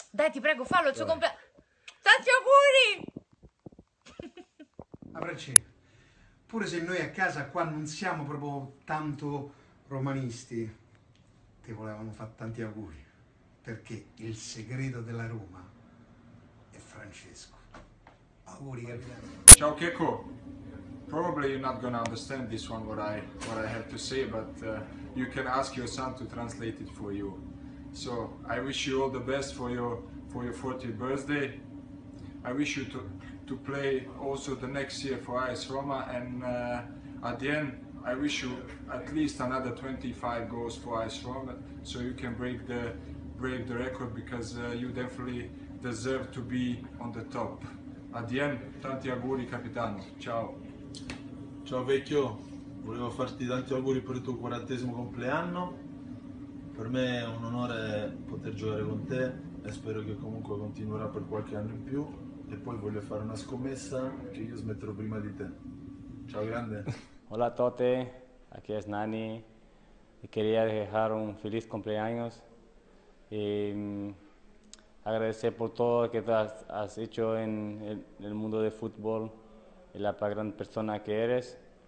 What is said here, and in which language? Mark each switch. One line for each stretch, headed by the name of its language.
Italian: Dai, ti prego, fallo. Dai. Il suo compleanno. Tanti auguri! Abracci. Pure se noi a casa qua non siamo proprio tanto romanisti, ti volevamo fare tanti auguri, perché il segreto della Roma è Francesco. Auguri, capitano. Ciao Checo.
English: Probably you're not gonna understand this one what I have to say, but you can ask your son to translate it for you. So I wish you all the best for your 40th birthday. I wish you to play also the next year for AS Roma, and at the end I wish you at least another 25 goals for AS Roma, so you can break the record, because you definitely deserve to be on the top. At the end,
Italian: tanti auguri capitano, ciao. Ciao vecchio, volevo farti tanti auguri per il tuo 40° compleanno. Per me è un onore poter giocare con te e spero che comunque continuerà per qualche anno in più. E poi voglio fare una scommessa che io smetterò prima di te. Ciao grande.
Spanish: Hola Tote, aquí es Nani. Y quería dejar un feliz cumpleaños y agradecer por todo lo que has hecho en el mundo de fútbol y la gran persona que eres.